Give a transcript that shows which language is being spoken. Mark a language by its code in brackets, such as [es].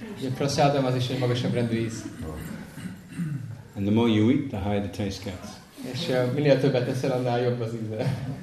[hu] Yeah, prasadam az is egy magasabb rendű íz. [en] And the more you eat, the higher the taste gets. [hu] És minél többet eszel, annál jobb az íze.